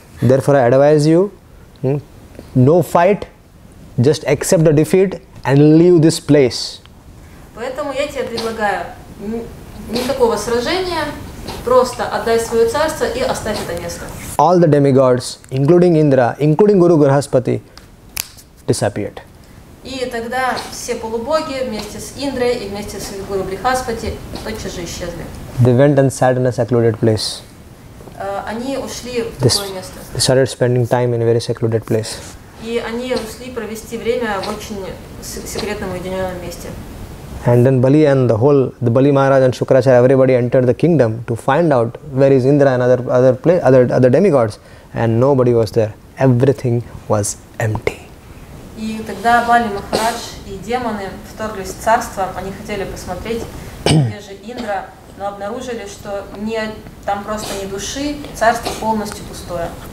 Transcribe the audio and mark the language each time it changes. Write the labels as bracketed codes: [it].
[en] Therefore, I advise you, no fight, just accept the defeat and leave this place. [ru] Поэтому я тебе предлагаю никакого сражения. Просто отдай свое царство и оставь это место. [en] All the demigods, including Indra, including Guru Grihaspati, disappeared. [ru] И тогда все полубоги вместе с Индрой и вместе с Гуру Грихаспати тотчас же исчезли. [en] They went and sat in a secluded place. [ru] Они ушли в такое место. [en] They started spending time in a very secluded place. [ru] И они ушли провести время в очень секретном уединенном месте. [en] And then Bali and the Bali Maharaj and Shukracharya, everybody entered the kingdom to find out where is Indra and other demigods, and nobody was there. Everything was empty. [ru] И тогда Бали Махарадж и демоны вторглись в царство. Они хотели посмотреть, где же Индра, но обнаружили, что нет, там просто ни души, царство полностью пустое.